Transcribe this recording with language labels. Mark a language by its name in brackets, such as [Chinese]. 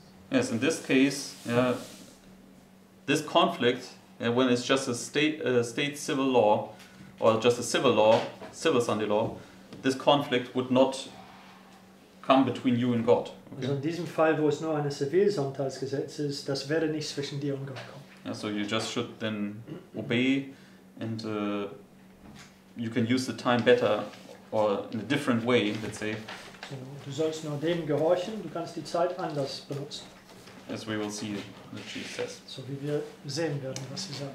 [English] Yes, in this case, this conflict, when it's just a state civil law, or just a civil law, civil Sunday law, this conflict would not come between you and God. Okay? [German] Also in diesem Fall, wo es nur ein Zivilsonntagsgesetz ist, das werde nicht zwischen dir und Gott kommen. [English] Yeah, so you just should then obey, and you can use the time better, or in a different way, let's say. [German] So, du sollst nur dem gehorchen, du kannst die Zeit anders benutzen. [English] As we will see, that she says. [German] So wie wir sehen werden, was sie sagt.